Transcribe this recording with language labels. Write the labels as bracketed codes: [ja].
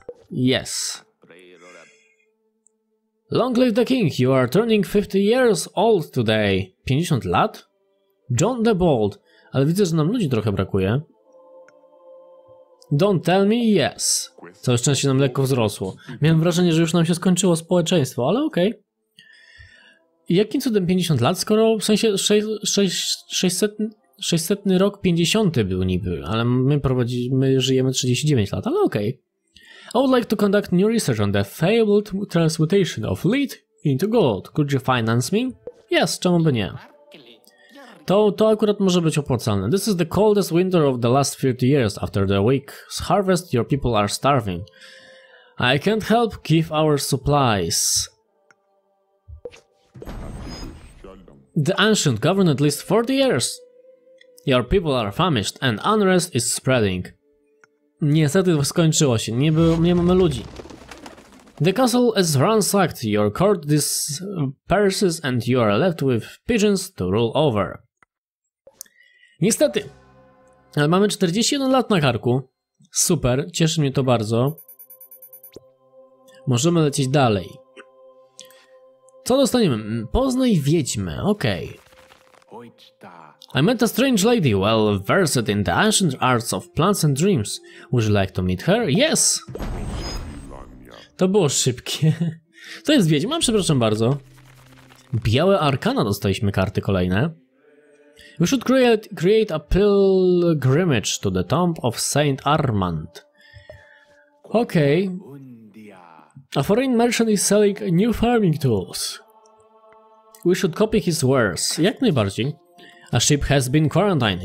[en] Yes. Long live the king, you are turning 50 years old today. [pl] 50 lat? John the Bold. Ale widzę, że nam ludzi trochę brakuje. [en] Don't tell me yes. [pl] Całe szczęście nam lekko wzrosło. Miałem wrażenie, że już nam się skończyło społeczeństwo, ale okej. Okay. Jakim cudem 50 lat, skoro w sensie 600 rok 50 był niby, ale my żyjemy 39 lat, ale okej. [en] Okay. I would like to conduct new research on the failed transmutation of lead into gold. Could you finance me? Yes, [pl] czemu by nie? To akurat może być opłacalne. [en] This is the coldest winter of the last 50 years. After the week's harvest, your people are starving. I can't help give our supplies. The ancient governed at least 40 years. Your people are famished and unrest is spreading. [pl] Niestety skończyło się. Nie mamy ludzi. [en] The castle is ransacked. Your court disperses and you are left with pigeons to rule over. [pl] Niestety, ale mamy 41 lat na karku. Super, cieszy mnie to bardzo. Możemy lecieć dalej. Co dostaniemy? Poznaj wiedźmę, okej. [en] Okay. I met a strange lady, well versed in the ancient arts of plants and dreams. Would you like to meet her? Yes! [pl] To było szybkie. To jest wiedźma, przepraszam bardzo. Białe arkana, dostaliśmy karty kolejne. [en] We should create a pilgrimage to the tomb of Saint Armand. Okay. A foreign merchant is selling new farming tools. We should copy his wares. [pl] Jak najbardziej. [en] A ship has been quarantined.